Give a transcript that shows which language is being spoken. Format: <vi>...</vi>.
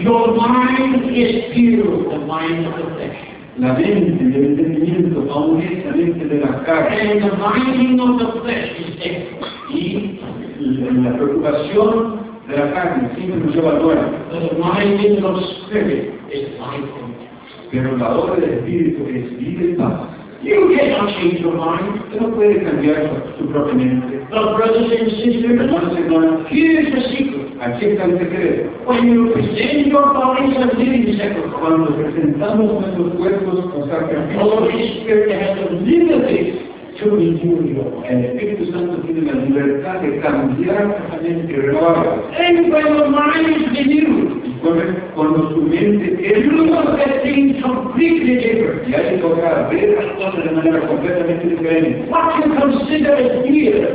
<en>Your mind is pure, the mind of the flesh.</en> <es>La mente y el entendimiento aún es la mente de la carne.</es> <en>And the minding of the flesh is dead.</en> <es>Y la preocupación de la carne siempre nos lleva a muerte.</es> <en>But the minding of spirit is life and death.</en> <es>Pero la obra del espíritu es vida y paz.</es> <en>You cannot change your mind.</en> <es>Tú no puedes cambiar tu propia mente.</es> <en>But brothers and sisters,</en> <es>hermanos y hermanas,</es> <en>here is the secret.</en> <es>Aquí está el secreto.</es> <en>When you present your bodies as living sacrifices,</en> <es>cuando presentamos nuestros cuerpos como sacrificios,</es> <en>the Holy Spirit has the liberty to renew your mind.</en> <es>El Espíritu Santo tiene la libertad de cambiar la mente y renovarla.</es> <en>And when your mind is renewed,</en> <es>cuando tu mente es renovada,</es> <en>things completely different.</en> <es>Y ahí toca ver las cosas de manera completamente diferente.</es> <en>What you consider as dear,</en>